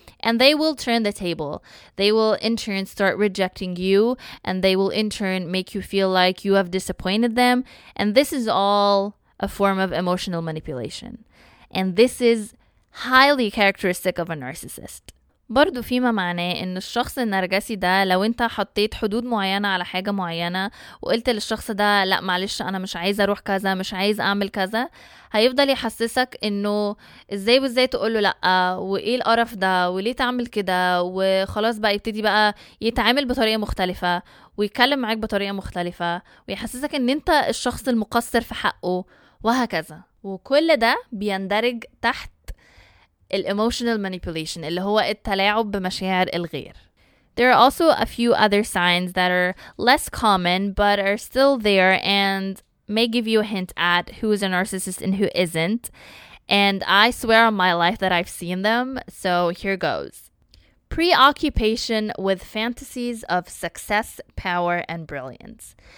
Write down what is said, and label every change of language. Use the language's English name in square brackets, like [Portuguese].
[English] And they will turn the table. They will in turn start rejecting you, and they will in turn make you feel like you have disappointed them. And this is all a form of emotional manipulation. And this is highly characteristic of a narcissist. [Arabic] برضو فيما معناه ان الشخص النرجسي ده لو انت حطيت حدود معينة على حاجة معينة وقلت للشخص ده لا معلش انا مش عايز اروح كذا مش عايز اعمل كذا هيفضل يحسسك انه ازاي وازاي تقوله لا وايه القرف ده وليه تعمل كده وخلاص بقى يبتدي بقى يتعامل بطريقة مختلفة ويتكلم معك بطريقة مختلفة ويحسسك ان انت الشخص المقصر في حقه وهكذا وكل ده بيندرج تحت الemotional manipulation اللي هو التلاعب بمشاعر الغير. [English] There are also a few other signs that are less common but are still there and may give you a hint at who is a narcissist and who isn't. And I swear on my life that I've seen them, so here goes. Preoccupation with fantasies of success, power, and brilliance.